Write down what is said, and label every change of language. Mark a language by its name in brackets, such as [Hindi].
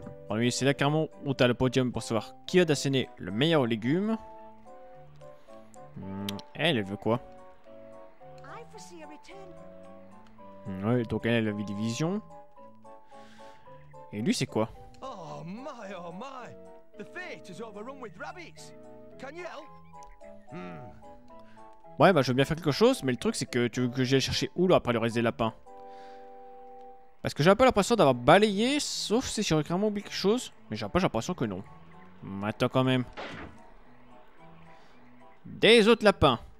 [French] Oui, c'est là carrément où t'as le podium pour savoir qui a d'asséné le meilleur légume. Elle veut quoi? Ouais, donc elle a vu des visions. Et lui, c'est quoi? [English] Oh my! The fate is overrun with rabbits. Can you help? [French] Ouais, bah je veux bien faire quelque chose, mais le truc c'est que tu veux que j'aille chercher où là après le reste des lapins? Parce que j'ai un peu l'impression d'avoir balayé, sauf si j'aurais carrément oublié quelque chose, mais j'ai l'impression que non. Attends quand même. Des autres lapins.